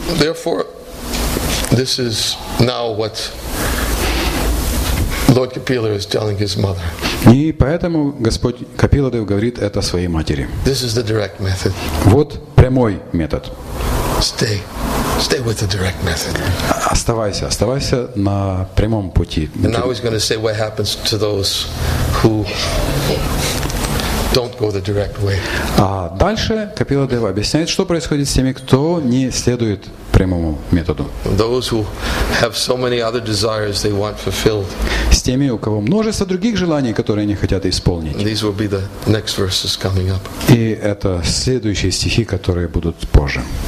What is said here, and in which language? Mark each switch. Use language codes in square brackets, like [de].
[en] Therefore, this is now what Lord Kapila is telling his mother. [ru] И поэтому Господь Капиладев говорит это своей матери. [en] This is the direct method. [ru] Вот прямой метод. [en] Stay with the direct method. [ru] Оставайся на прямом пути. [en] And now he's going to say what happens to those who don't go the direct way. [ru] А дальше Капиладев объясняет, что происходит с теми, кто не следует прямому методу. [en] Those who have so many other desires they want fulfilled. [ru] С теми, у кого множество других желаний, которые они хотят исполнить. [en] These will be the next verses coming up. [ru] И это следующие стихи, которые будут позже.